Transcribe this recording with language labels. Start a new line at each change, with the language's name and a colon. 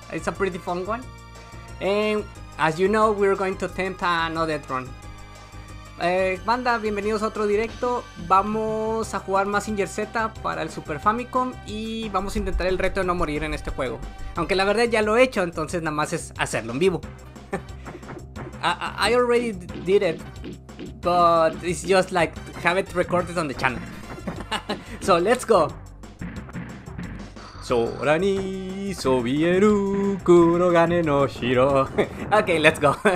English: It's a pretty fun one, and as you know, we're going to attempt another run.
Spanish: Banda, bienvenidos a otro directo. Vamos a jugar Mazinger Z para el Super Famicom y vamos a intentar el reto de no morir en este juego. Aunque la verdad ya lo he hecho, entonces nada más es hacerlo en vivo.
English: I already did it, but it's just like have it recorded on the channel. So let's go.
Japanese: Sora ni sobieru kuro gane no shiro.
English: Okay, let's go.